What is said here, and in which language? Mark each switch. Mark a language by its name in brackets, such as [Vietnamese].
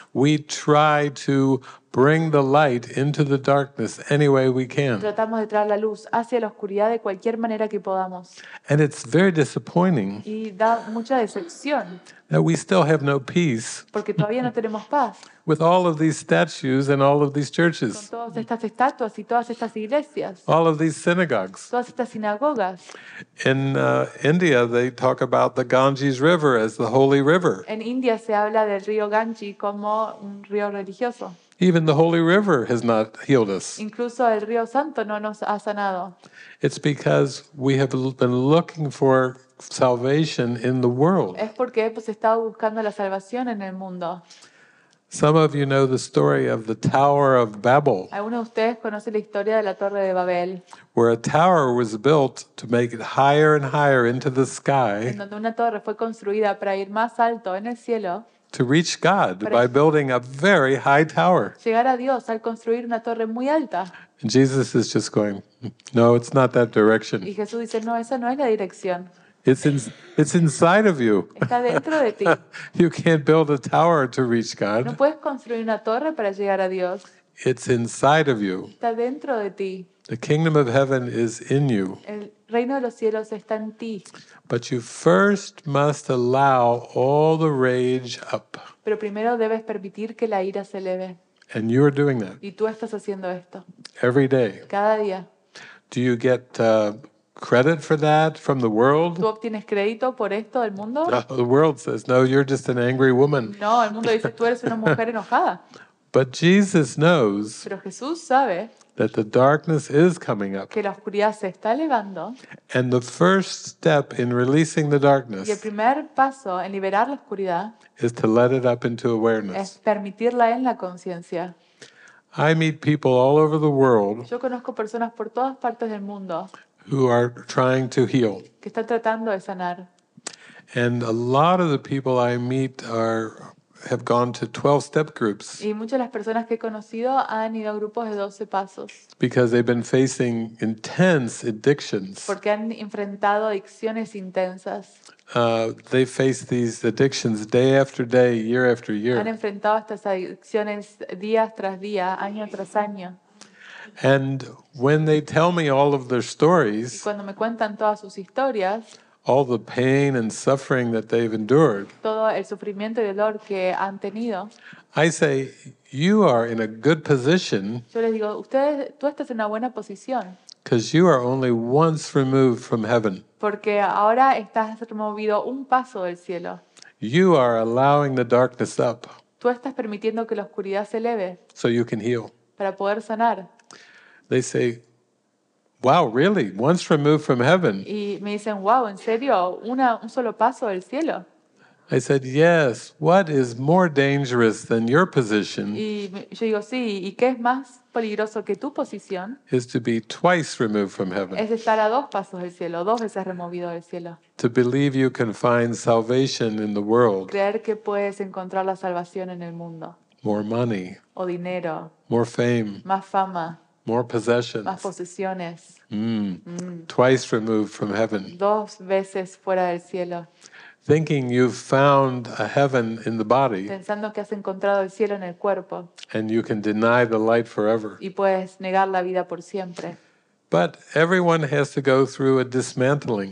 [English] We try to bring the light into the darkness any way we can. [Spanish] Tratamos de traer la luz hacia la oscuridad de cualquier manera que podamos. [English] And it's very disappointing. [Spanish] Y da mucha decepción. [English] That we still have no peace. [Spanish] Porque todavía no tenemos paz. [English] With all of these statues and all of these churches. [Spanish] Con todas estas estatuas y todas estas iglesias. [English] All of these synagogues. [Spanish] Todas estas sinagogas. [English] In India, they talk about the Ganges River as the holy river. [Spanish] En India se habla del río Ganges como un río religioso. [English] Even the holy river has not healed us. [Spanish] Incluso el río Santo no nos ha sanado. [English] It's because we have been looking for salvation in the world. [Spanish] Es porque hemos estado buscando la salvación en el mundo. [English] Some of you know the story of the Tower of Babel. [Spanish] ¿Alguno de ustedes conoce la historia de la Torre de Babel? [English] Where a tower was built to make it higher and higher into the sky. [Spanish] En donde una torre fue construida para ir más alto en el cielo. [English] To reach God by building a very high tower. [Spanish] Llegar a Dios al construir una torre muy alta. [English] And Jesus is just going, no, it's not that direction. [Spanish] Y Jesús dice, no, esa no es la dirección. [English] It's inside of you. [Spanish] Está dentro de ti. [English] You can't build a tower to reach God. [Spanish] No puedes construir una torre para llegar a Dios. [English] It's inside of you. [Spanish] Está dentro de ti. [English] The kingdom of heaven is in you. [Spanish] El reino de los cielos está en ti. [English] But you first must allow all the rage up. [Spanish] Pero primero debes permitir que la ira se eleve. [English] And you are doing that. [Spanish] Y tú estás haciendo esto. [English] Every day. [Spanish] Cada día. [English] Do you get credit for that from the world? [Spanish] ¿Tú obtienes crédito por esto del mundo? [English] The world says, no, you're just an angry woman. [Spanish] No, el mundo dice, tú eres una mujer enojada. [English] But Jesus knows. [Spanish] Pero Jesús sabe. [English] That the darkness is coming up. [Spanish] Que la oscuridad se está elevando. [English] And the first step in releasing the darkness. [Spanish] Y el primer paso en liberar la oscuridad. [English] Is to let it up into awareness. [Spanish] Es permitirla en la conciencia. [English] I meet people all over the world. [Spanish] Yo conozco personas por todas partes del mundo. [English] Who are trying to heal. [Spanish] Que están tratando de sanar. [English] And a lot of the people I meet have gone to 12-step groups. [Spanish] Y muchas de las personas que he conocido han ido a grupos de 12 pasos. [English] Because they've been facing intense addictions. [Spanish] Porque han enfrentado adicciones intensas. [English] They face these addictions day after day, year after year. [Spanish] Han enfrentado estas adicciones día tras día, año tras año. [English] And when they tell me all of their stories, [Spanish] y cuando me cuentan todas sus historias, [English] all the pain and suffering that they've endured. [Spanish] Todo el sufrimiento y dolor que han tenido. [English] I say, you are in a good position. [Spanish] Yo les digo, ustedes, tú estás en una buena posición. [English] Because you are only once removed from heaven. [Spanish] Porque ahora estás removido un paso del cielo. [English] You are allowing the darkness up. [Spanish] Tú estás permitiendo que la oscuridad se eleve. [English] So you can heal. [Spanish] Para poder sanar. [English] They say, wow, really? Once removed from heaven. [Spanish] Y me dicen, wow, ¿en serio? Un solo paso del cielo. [English] I said, yes, what is more dangerous than your position? [Spanish] Y yo digo, sí, ¿y qué es más peligroso que tu posición? [English] Is to be twice removed from heaven. [Spanish] Es estar a dos pasos del cielo, dos veces removido del cielo. [English] To believe you can find salvation in the world. [Spanish] Creer que puedes encontrar la salvación en el mundo. [English] More money. [Spanish] O dinero. [English] More fame. [Spanish] Más fama. [English] More possessions. [Spanish] Más posesiones. [English] Twice removed from heaven. [Spanish] Dos veces fuera del cielo. [English] Thinking you've found a heaven in the body. [Spanish] Pensando que has encontrado el cielo en el cuerpo. [English] And you can deny the light forever. [Spanish] Y puedes negar la vida por siempre. [English] But everyone has to go through a dismantling.